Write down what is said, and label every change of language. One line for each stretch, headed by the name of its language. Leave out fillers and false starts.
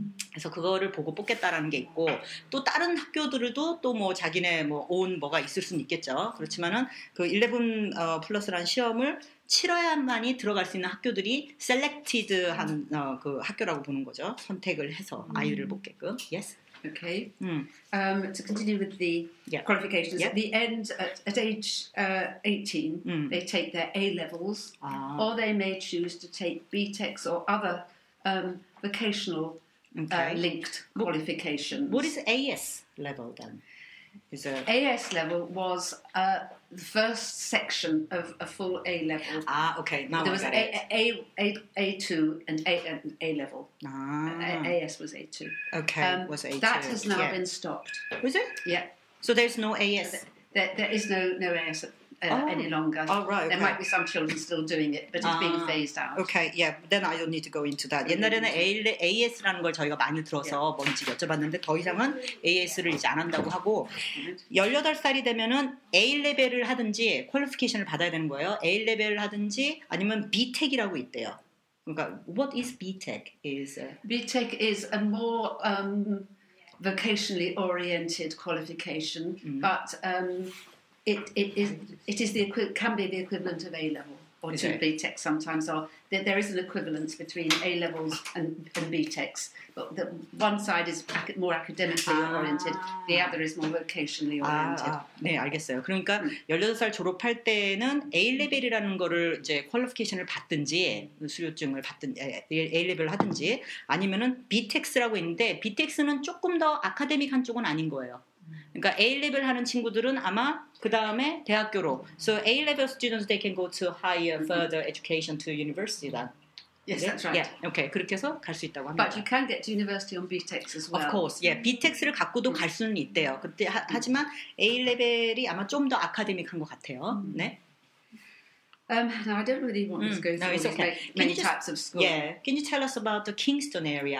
Korean: 그래서 그거를 보고 뽑겠다라는 게 있고 또 다른 학교들도 또 뭐 자기네 뭐 온 뭐가 있을 수는 있겠죠. 그렇지만은 그 11 플러스라는 시험을 치러야만이 들어갈 수 있는 학교들이 셀렉티드한 그 학교라고 보는 거죠. 선택을 해서 아이유를 뽑게끔.
English: Yes. Okay. To continue with the qualifications. Yeah. At the end, at age 18, they take their A-levels, or they may choose to take BTECs or other vocational linked qualifications. What is AS level then? AS level was the first section of a full A level. Ah, okay. Now there was A2 and A level. Ah. AS was A2. Okay, was A2. That has now been stopped. Was it? Yeah. So there's no AS? There is no AS any longer. Oh, right. Okay. There might be some children still doing it, but it's being phased out. Okay, yeah. Then I don't need to go into that.
Korean: 옛날에는 AS라는 걸 저희가 많이 들어서 뭔지 여쭤봤는데 더 이상은 AS를 이제 안 한다고 하고 18살이 되면은 A레벨을 하든지 퀄리피케이션을 받아야 되는 거예요. A레벨을 하든지 아니면 B텍이라고 있대요. 그러니까
English: what is B텍? B텍 is a more vocationally oriented qualification, but... It is the equivalent of A level. or to BTEC sometimes are, there is an equivalence between A-levels and BTECs, but the one side is more academically oriented, the other is more vocationally oriented.
Korean: 네, 알겠어요. 그러니까 18살 졸업할 때는 A-레벨이라는 거를 이제 퀄리피케이션을 받든지 수료증을 받든지 A-레벨을 하든지 아니면은 BTECs라고 있는데 BTECs는 조금 더 아카데믹한 쪽은 아닌 거예요. 그러니까 A-level 하는 친구들은 아마 그 다음에 대학교로
English: So A-level students, they can go to higher, further education to university then. Yes, that's right. Yeah, okay.
Korean: 그렇게 해서 갈 수 있다고 합니다.
English: But you can get to university on BTECs as well. Of course, yeah.
Korean: BTECs를 갖고도 갈 수는 있대요. 그때 하지만 A-level이 아마 좀 더 아카데믹한 것 같아요. 네.
English: Now, I don't really want to go through many types of schools. Yeah. Can you tell us about the Kingston area?